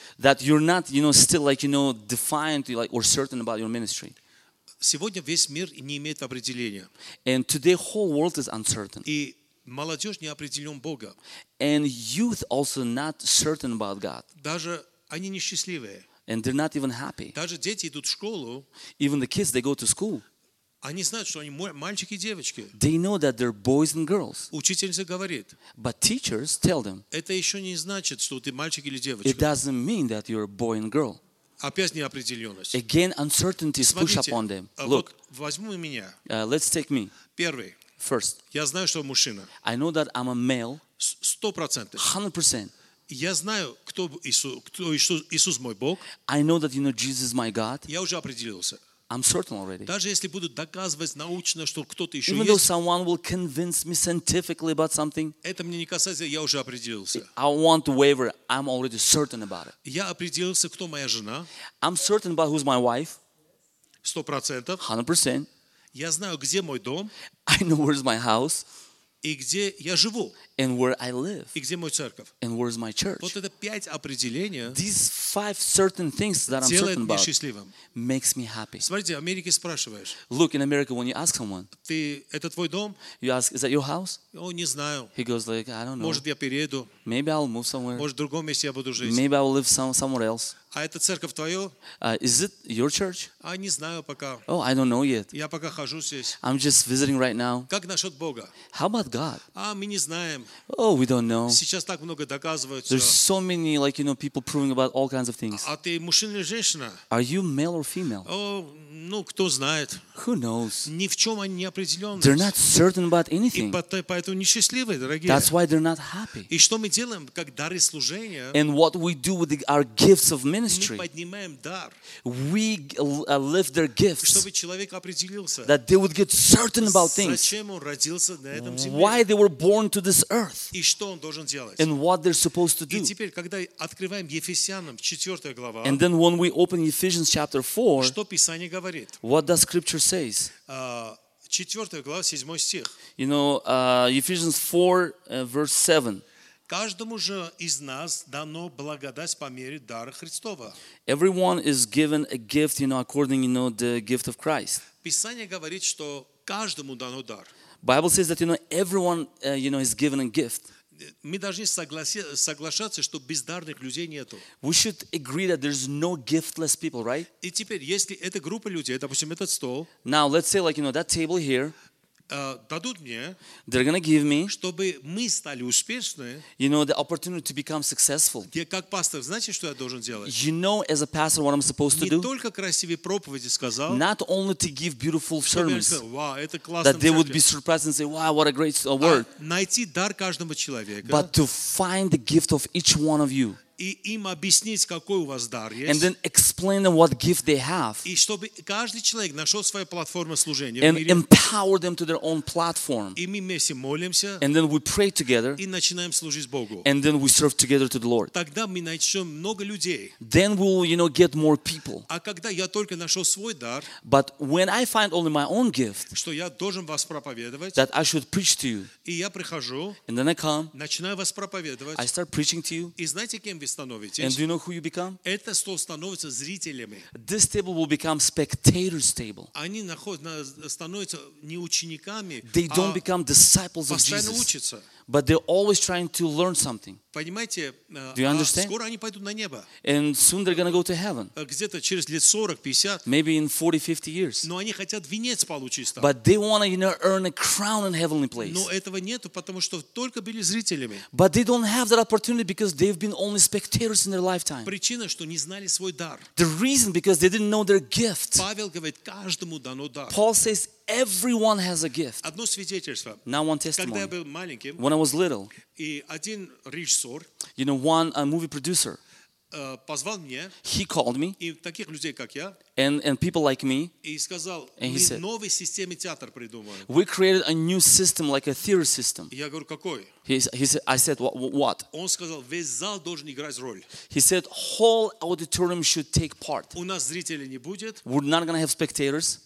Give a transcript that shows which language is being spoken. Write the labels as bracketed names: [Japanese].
[English] That you're not, you know, still like, you know, defined like, or certain about your ministry. [Russian] Сегодня весь мир не имеет определения. [English] And today whole world is uncertain. [Russian] И молодежь не определен Бога. [English] And youth also not certain about God. [Russian] Даже они несчастливые. [English] And they're not even happy. [Russian] Даже дети идут в школу. [English] Even the kids, they go to school. [Russian] Они знают, что они мальчики и девочки. [English] They know that they're boys and girls. [Russian] Учительница говорит. [English] But teachers tell them. [Russian] Это еще не значит, что ты мальчик или девочка. [English] It doesn't mean that you're a boy and girl. [Russian] Опять неопределенность. [English] Again, uncertainty is pushed upon them. [Russian] Look, возьму меня. [English] Let's take me. [Russian] Первый. [English] First. [Russian] Я знаю, что мужчина. [English] I know that I'm a male. [Russian] 100%. [English] 100%. [Russian] Я знаю, кто Иисус, Иисус мой Бог. [English] I know that, you know, Jesus is my God. [Russian] Я уже определился. [English] I'm certain already. [Russian] Даже если буду доказывать научно, что кто-то еще [English] Even [Russian] есть. [English] Even though someone will convince me scientifically about something. [Russian] Это мне не касается, я уже определился. [English] I won't waver. I'm already certain about it. [Russian] Я определился, кто моя жена. [English] I'm certain about who's my wife. [Russian] 100%. [English] 100%. [Russian] Я знаю, где мой дом. [English] I know where's my house. [Russian] И где я живу. [English] And where I live. [Russian] И где моя церковь. [English] And where's my church. [Russian] Вот это пять определения. [English] These five certain things that I'm certain about. [Russian] Делает меня счастливым. [English] Makes me happy. [Russian] Смотрите, в Америке спрашиваешь. [English] Look, in America, when you ask someone. [Russian] Ты, это твой дом? [English] You ask, is that your house? [Russian] О, не знаю. [English] He goes like, I don't know. [Russian] Может, я перееду. [English] Maybe I'll move somewhere. [Russian] Может, в другом месте я буду жить. [English] Maybe I'll live somewhere else. [Russian] А это церковь твою? [English] Is it your church? [Russian] А не знаю пока. [English] Oh, I don't know yet. [Russian] Я пока хожу здесь. [English] I'm just visiting right now. [Russian] Как насчет Бога? [English] How about God? [Russian] А мы не знаем. [English] Oh, we don't know. [Russian] Сейчас так много доказывают. [English] There's so many, like, you know, people proving about all kinds of things. [Russian] А ты мужчина или женщина? [English] Are you male or female? [Russian] Oh, Ну, кто знает? [English] Who knows? [Russian] Ни в чем они не определенны. [English] They're not certain about anything. [Russian] И поэтому несчастливые, дорогие. [English] That's why they're not happy. [Russian] И что мы делаем, как дары служения? [English] And what we do with our gifts of ministry? [Russian] Мы поднимаем дар. [English] We lift their gifts. [Russian] Чтобы человек определился. [English] That they would get certain about things. [Russian] Зачем он родился на этом земле? [English] Why they were born to this earth? [Russian] И что он должен делать? [English] And what they're supposed to do? [Russian] И теперь, когда открываем Ефесянам 4 глава. [English] And then when we open Ephesians chapter 4. [Russian] Что Писание говорит? [English] What does Scripture says? [Russian] 4 глава, 7 стих. [English] You know, Ephesians 4, verse 7. [Russian] Каждому же из нас дано благодать по мере дара Христова. [English] Everyone is given a gift, you know, according, you know, the gift of Christ. [Russian] Писание говорит, что каждому дано дар. [English] Bible says that, you know, everyone, you know, is given a gift. [Russian] Мы должны соглашаться, что бездарных людей нету. [English] We should agree that there's no giftless people, right? [Russian] И теперь, если эта группа людей, допустим, этот стол, [English] now let's say, like, you know, that table here, [Russian] дадут мне, [English] they're gonna give me, [Russian] чтобы мы стали успешны, [English] you know, the opportunity to become successful. [Russian] Я как пастор, знаете, что я должен делать? [English] You know, as a pastor, what I'm supposed to [Russian] не [English] do? [Russian] Не только красивые проповеди сказал, [English] not only to give beautiful sermons, [Russian] сказал, wow, [English] that they [Russian] церковь. [English] Would be surprised and say, wow, what a great word. [Russian] А найти дар каждому человеку, [English] but to find the gift of each one of you. [Russian] И им объяснить, какой у вас дар есть. [English] And then explain them what gift they have. [Russian] И чтобы каждый человек нашел свою платформу служения. [English] And empower them to their own platform. [Russian] И мы вместе молимся. [English] And then we pray together. [Russian] И начинаем служить Богу. [English] And then we serve together to the Lord. [Russian] Тогда мы найдем много людей. [English] Then we'll, you know, get more people. [Russian] А когда я только нашел свой дар. [English] But when I find only my own gift. [Russian] Что я должен вас проповедовать. [English] That I should preach to you. [Russian] И я прихожу. [English] And then I come. [Russian] Начинаю вас проповедовать. [English] I start preaching to you. [Russian] И знаете, кем? [English] And do you know who you become? [Russian] Это стол становится зрителями. [English] This table will become spectators table. [Russian] Они становятся не учениками, [English] they don't become disciples of Jesus. [Russian] Постоянно учатся. [English] But they're always trying to learn something. [Russian] Понимаете? [English] Do you understand? [Russian] Скоро они пойдут на небо. [English] And soon they're going to go to heaven. [Russian] Где-то через лет 40-50. [English] Maybe in 40-50 years. [Russian] Но они хотят венец получить там. [English] But they want to, you know, earn a crown in heavenly place. [Russian] Но этого нету, потому что только были зрителями. [English] But they don't have that opportunity because they've been only spectators in their lifetime. [Russian] Причина, что не знали свой дар. [English] The reason because they didn't know their gift. [Russian] Павел говорит, каждому дано дар. [English] Paul says everyone has a gift. [Russian] Одно свидетельство. [English] Now one testimony. [Russian] Когда я был маленьким, [English] when I was little, [Russian] и один режиссер, [English] you know, one a movie producer, [Russian] позвал мне, [English] he called me, [Russian] и таких людей, как я, [English] and people like me, [Russian] и сказал, [English] and he said, [Russian] новой системе театр придумали. [English] We created a new system, like a theater system. [Russian] Я говорю, какой? [English] I said, what? [Russian] Он сказал, весь зал должен играть роль. [English] He said, whole auditorium should take part. [Russian] У нас зрителей не будет. [English] We're not going to have spectators.